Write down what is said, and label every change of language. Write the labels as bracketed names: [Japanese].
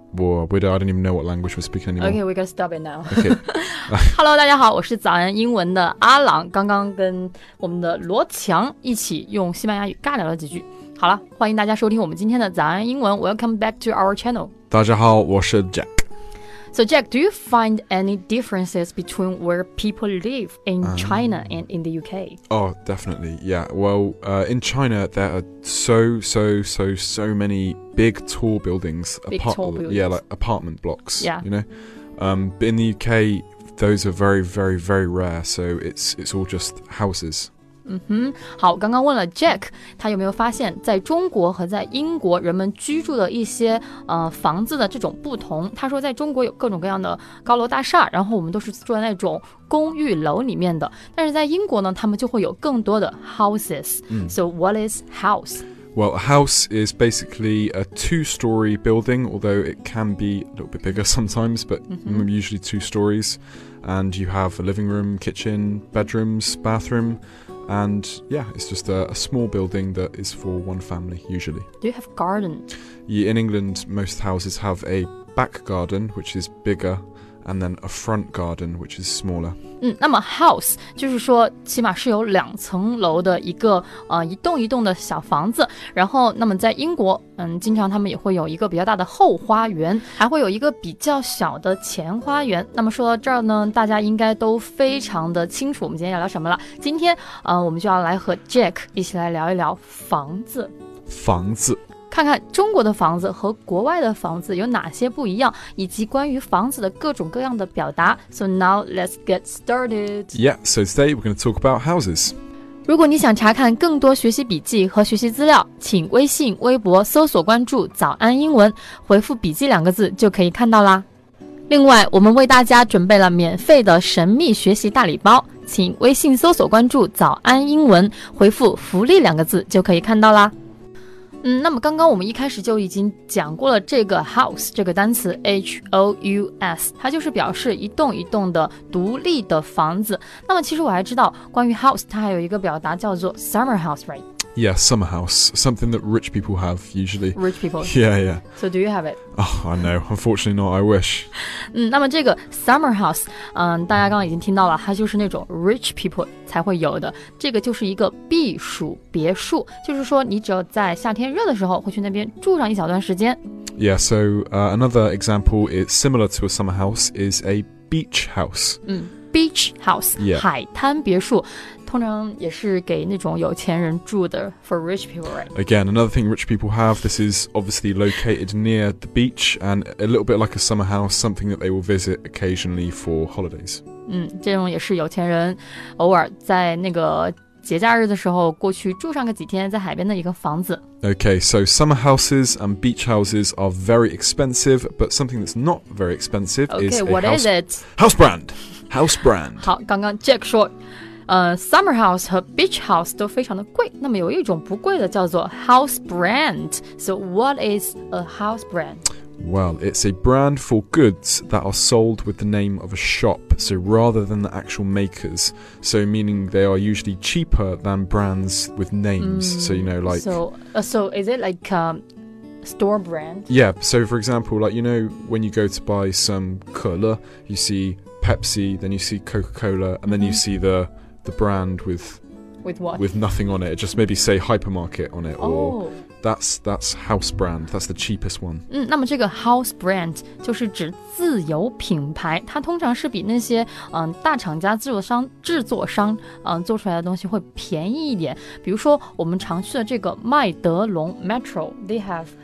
[English] Whoa, I don't even know what language we're speaking anymore. Okay, we gotta stop it now. Okay. [Chinese] Hello, 大家好，我是早安英文的阿朗，刚刚跟我们的罗强一起用西班牙语尬聊了几句。好了，欢迎大家收听我们今天的早安英文。 [English] Welcome back to our channel. [Chinese] 大家好，我是 Jack. [English] So Jack, do you find any differences between where people live in China and in the UK? Oh, definitely, yeah. Well, in China, there are so many big tall buildings. Yeah, like apartment blocks, yeah. You know? But in the UK, those are very, very, very rare, so it's all just houses. Mm-hmm. [Chinese] 好，刚刚问了 Jack， 他有没有发现在中国和在英国人们居住的一些房子的这种不同？他说在中国有各种各样的高楼大厦，然后我们都是住在那种公寓楼里面的。但是在英国呢，他们就会有更多的 houses.、 Mm. [English] So what is house? Well, a house is basically a two-story building, although it can be a little bit bigger sometimes, but、mm-hmm. usually two stories. And you have a living room, kitchen, bedrooms, bathroom. And yeah, it's just a small building that is for one family, usually. Do you have a garden? Yeah, in England, most houses have a back garden, which is bigger, and then a front garden, which is smaller. [Chinese] 嗯，那么 house 就是说起码是有两层楼的一个一栋一栋的小房子。然后那么在英国，嗯，经常他们也会有一个比较大的后花园，还会有一个比较小的前花园。那么说到这儿呢，大家应该都非常的清楚我们今天要聊什么了。今天我们就要来和 Jack 一起来聊一聊房子。房子。看看中国的房子和国外的房子有哪些不一样，以及关于房子的各种各样的表达。 [English] So now let's get started. Yeah, so today we're going to talk about houses. [Chinese] 如果你想查看更多学习笔记和学习资料，请微信、微博搜索关注“早安英文”，回复“笔记”两个字就可以看到啦。另外，我们为大家准备了免费的神秘学习大礼包，请微信搜索关注“早安英文”，回复“福利”两个字就可以看到啦。嗯，那么刚刚我们一开始就已经讲过了这个 house 这个单词 H-O-U-S， 它就是表示一栋一栋的独立的房子。那么其实我还知道关于 house 它还有一个表达叫做 summer house, right? [English] Yeah, summer house. Something that rich people have usually. Rich people. Yeah, yeah. So do you have it? Oh, I know. Unfortunately not. I wish. [Chinese] 嗯，那么这个 summer house， 嗯，大家刚刚已经听到了，它就是那种 [English] rich people [Chinese] 才会有的。这个就是一个避暑别墅，就是说你只要在夏天热的时候会去那边住上一小段时间。 [English] Yeah, so another example is similar to a summer house is a beach house. 嗯 ，beach house. Yeah. [Chinese] 海滩别墅。通常也是给那种有钱人住的 [English] for rich people, right? Again, another thing rich people have, this is obviously located near the beach and a little bit like a summer house, something that they will visit occasionally for holidays. [Chinese] 嗯，这种也是有钱人偶尔在那个节假日的时候过去住上个几天在海边的一个房子。 [English] Okay, so summer houses and beach houses are very expensive, but something that's not very expensive is a house... Okay, what is it? House brand! House brand! [Chinese] 好，刚刚 Jack 说summer house 和 beach house 都非常的贵，那么有一种不贵的叫做 house brand. [English] So what is a house brand? Well, it's a brand for goods that are sold with the name of a shop, so rather than the actual makers. So meaning they are usually cheaper than brands with names. Mm, so you know, like... So is it like store brand? Yeah, so for example, like, you know, when you go to buy some cola, you see Pepsi, then you see Coca-Cola, and then you see the brand with what? With nothing on it. Just maybe say hypermarket on it. Or that's house brand. That's the cheapest one. [Chinese] 嗯，那么这个 house brand 就是指自有品牌，它通常是比那些大厂家制作商做出来的东西会便宜一点。比如说我们常去的这个麦德龙 Metro, [English] they have